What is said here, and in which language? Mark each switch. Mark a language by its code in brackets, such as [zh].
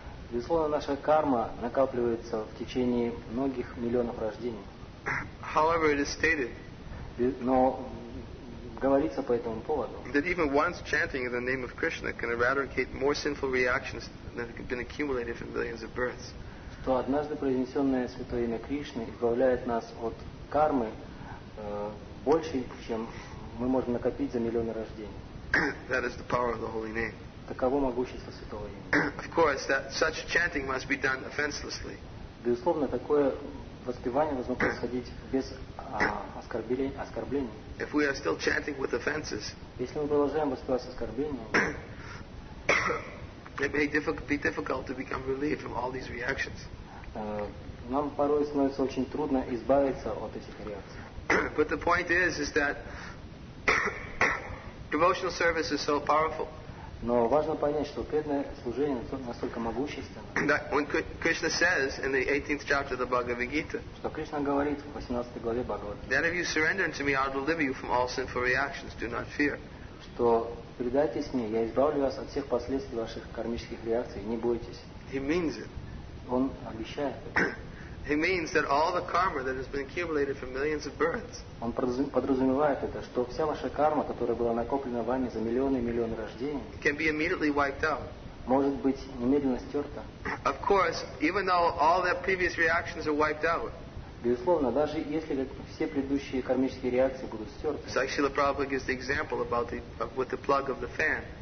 [ru] Безусловно, наша карма накапливается в течение многих миллионов рождений. [en] However, it is stated. [ru] Но говорится по этому поводу. [en] That even once chanting the name of Krishna can eradicate more sinful reactions than have been accumulated for millions of births. [ru] Что однажды произнесенное святое имя Кришны избавляет нас от кармы больше, чем мы можем накопить за миллионы рождений. [en] That is the power of the holy name. [ru] Таково могущество святого имени. [en] Of course, that such chanting must be done offenselessly. [ru] Безусловно, такое воспевание должно происходить без оскорблений. [en] If we are still chanting with offenses, [ru] если мы продолжаем воспевать с оскорблением, [en] it may be difficult to become relieved from all these reactions. [ru] Нам порой становится очень трудно избавиться от этих реакций. [en] But the point is that devotional service is so powerful. [ru] Но важно понять, что преданное служение настолько могущественно. [en] That when Krishna says in the 18th chapter of the Bhagavad Gita, [ru] что Кришна говорит в 18 главе Бхагавад Гиты, [en] that if you surrender unto me, I'll deliver you from all sinful reactions. Do not fear. [ru] Что предайтесь мне, я избавлю вас от всех последствий ваших кармических реакций. Не бойтесь. [en] He means it. [ru] Он обещает. [en] He means that all the karma that has been accumulated for millions of births. [ru] Он подразумевает это, что вся ваша карма, которая была накоплена вами за миллионы и миллионы рождений, [en] can be immediately wiped out. [ru] Может быть немедленно стерта. [en] Of course, even though all the previous reactions are wiped out. [ru] Безусловно, даже если все предыдущие кармические реакции будут стерты. [en] Srila Prabhupada gives the example about with the plug of the fan.